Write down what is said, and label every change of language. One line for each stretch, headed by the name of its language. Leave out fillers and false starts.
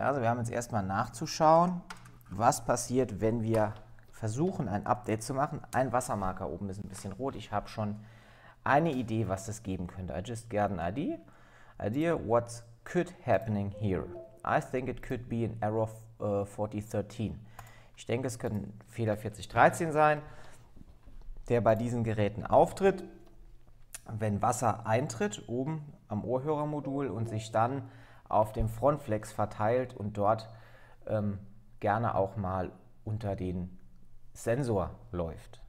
German: Ja, also wir haben jetzt erstmal nachzuschauen, was passiert, wenn wir versuchen, ein Update zu machen. Ein Wassermarker oben ist ein bisschen rot. Ich habe schon eine Idee, was das geben könnte.
English: I just got an idea what could happening here. I think it could be an error 4013.
German: Ich denke, es könnte ein Fehler 4013 sein, der bei diesen Geräten auftritt, wenn Wasser eintritt oben am Ohrhörermodul und sich dann auf dem Frontflex verteilt und dort gerne auch mal unter den Sensor läuft.